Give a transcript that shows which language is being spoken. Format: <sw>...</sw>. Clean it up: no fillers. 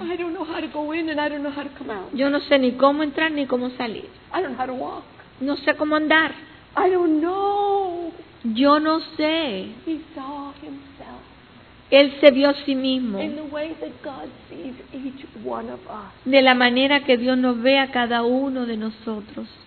<en>I don't know how to go in and I don't know how to come out.</en> <es>Yo no sé ni cómo entrar ni cómo salir.</es> <en>I don't know how to walk.</en> <es>No sé cómo andar.</es> <en>I don't know.</en> <es>Yo no sé.</es> <en>He saw himself.</en> <es>Él se vio a sí mismo.</es> <en>In the way that God sees each one of us.</en> <es>De la manera que Dios nos ve a cada uno de nosotros.</es>